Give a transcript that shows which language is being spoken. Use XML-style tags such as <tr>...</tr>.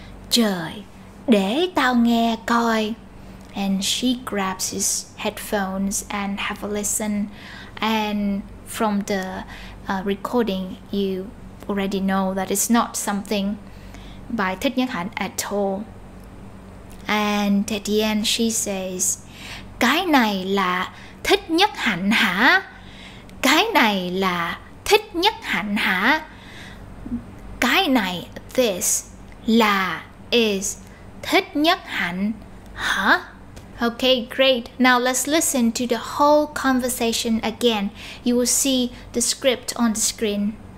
<vi>Trời, để tao nghe coi.</vi> <en>And she grabs his headphones and have a listen. And from the recording, you already know that it's not something by Thích Nhất Hạnh at all. And at the end, she says,</en> <vi>cái này là Thích Nhất Hạnh hả? Cái này là Thích Nhất Hạnh hả? Cái này, this, là, is, Thích Nhất Hạnh hả?</vi> <en>Okay, great. Now let's listen to the whole conversation again. You will see the script on the screen.</en>